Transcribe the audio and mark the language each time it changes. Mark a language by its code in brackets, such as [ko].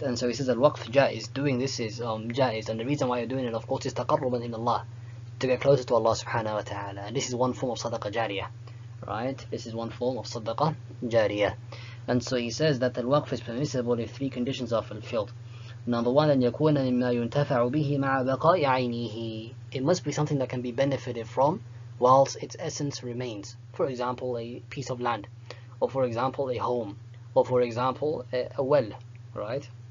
[en] And so he says al-waqf ja'iz, doing this is ja'iz, and the reason why you're doing it, of course, is taqarruban ila Allah, to get closer to Allah subhanahu wa ta'ala. And this is one form of sadaqah jariyah. Right, this is one form of sadaqah jariyah. And so he says that al-waqf is permissible if three conditions are fulfilled. Number one, [ar] أن يكون مما ينتفع به مع بقاء عينه. [en] It must be something that can be benefited from whilst its essence remains. For example, a piece of land, or for example, a home, or for example, a well, right?